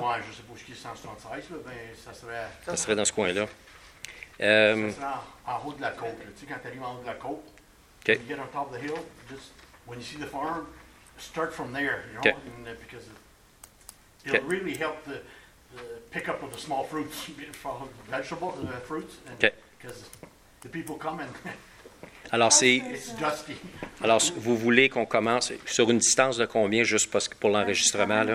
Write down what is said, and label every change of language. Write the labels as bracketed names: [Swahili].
[French] Oui, je ne sais pas où est le 176, là, ben, ça serait dans ce coin-là. Ça serait en haut de la côte. Tu sais, quand tu arrives en haut de la côte, okay. [English] You get on top of the hill, just when you see the farm, start from there, you know? Okay. Because it'll really help the... pick up with the small fruits, vegetables, fruits, because the people come and [French] alors c'est, [English] it's dusty. [French] Alors, vous voulez qu'on commence sur une distance de combien, juste parce que pour l'enregistrement, là?